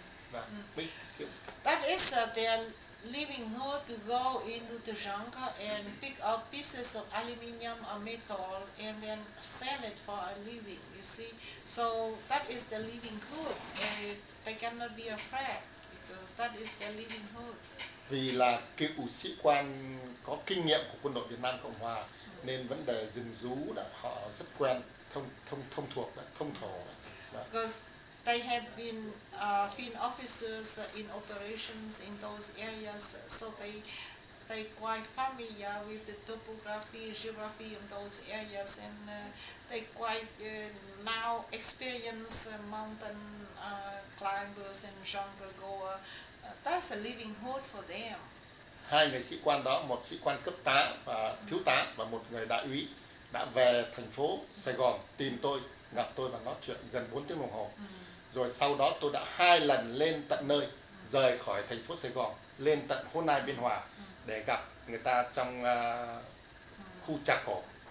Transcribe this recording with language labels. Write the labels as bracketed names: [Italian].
[Vietnamese] Và [English] that is their livelihood, to go into the jungle and pick up pieces of aluminium or metal and then sell it for a living, you see. So that is the livelihood, and they cannot be afraid because that is their livelihood. [Vietnamese] Vì là cựu sĩ quan có kinh nghiệm của quân đội Việt Nam Cộng Hòa nên vấn đề rừng rú là họ rất quen, thông thuộc, thông thổ. [English] Because they have been field officers in operations in those areas, so they quite familiar with the topography, geography in those areas, and they quite now experience mountain climbers and jungle goer. That's a living hood for them. [Vietnamese] Hai người sĩ quan đó, một sĩ quan cấp tá và thiếu tá và một người đại úy đã về thành phố Sài Gòn tìm tôi, gặp tôi và nói chuyện gần 4 tiếng đồng hồ. Rồi sau đó tôi đã hai lần lên tận nơi, rời khỏi thành phố Sài Gòn, lên tận Hồ Nai Biên Hòa để gặp người ta trong khu trà cổ.